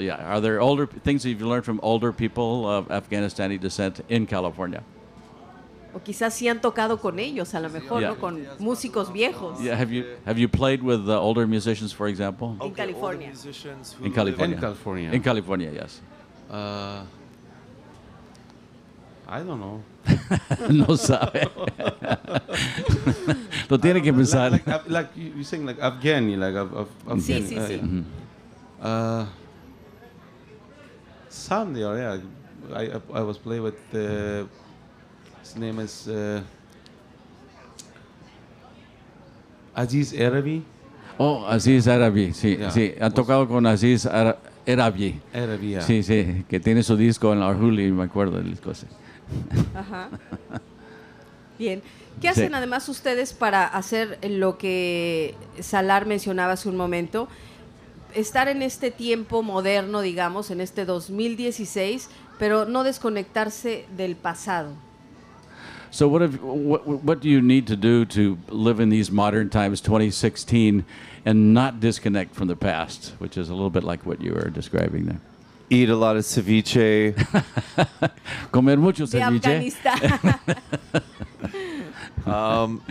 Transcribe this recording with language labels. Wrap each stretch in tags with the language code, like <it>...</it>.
<en>Yeah, are there older things that you've learned from older people of Afghanistani descent in California?</en> <es>O quizás sí han tocado con ellos, a lo mejor, yeah. ¿No? Con músicos viejos.</es> <en>Yeah, have you played with the older musicians, for example? Okay, in California. In California. In California, yes. I don't know.</en> <es>No sabe. Lo tiene que pensar.</es> <en>Like you're saying, like Afghani, like of</en> <es>Afghani. Sí, sí, sí.</es> <en>Some they are, yeah. I was playing with the... His name is Aziz Arabi.</en> <es>Oh, Aziz Arabi, sí, yeah. Sí. Ha tocado con Aziz Arabi.</es> <en>Arabi, yeah.</en> <es>Sí, sí, que tiene su disco en la Arjuli, me acuerdo del disco. Ajá. Bien. ¿Qué hacen sí. además ustedes para hacer lo que Salar mencionaba hace un momento? Estar en este tiempo moderno, digamos, en este 2016, pero no desconectarse del pasado.</es> <en>So what do you need to do to live in these modern times, 2016, and not disconnect from the past, which is a little bit like what you were describing there? Eat a lot of ceviche.</en> <es>Comer mucho ceviche. De Afganistán.</es>